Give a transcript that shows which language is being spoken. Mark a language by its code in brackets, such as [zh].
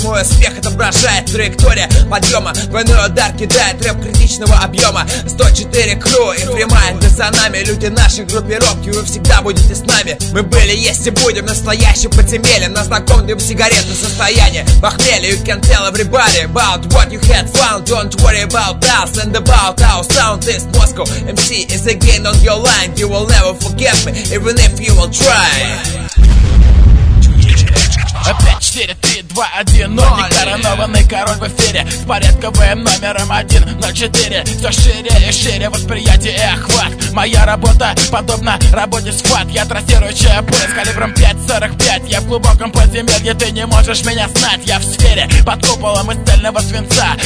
[ru] Мой успех отображает траектория подъема. Двойной удар кидает рэп критичного объема. 104 крю и прямая ты за нами. Люди нашей группировки, вы всегда будете с нами. Мы были, есть и будем, настоящим подземельем. На знаком дым сигареты состояние похмелье. [en] You can tell everybody about what you had found. Don't worry about us and about our sound. This Moscow MC is again on your line. You will never forget me, even if you will try. [ru] Опять 4-3-2-1, нотник коронованный король в эфире. С порядковым номером 1-0-4. Все шире и шире восприятие и охват. Моя работа подобна работе схват. Я трассирующая пуля с калибром 5-45. Я в глубоком подземелье, ты не можешь меня знать. Я в сфере под куполом из цельного свинца.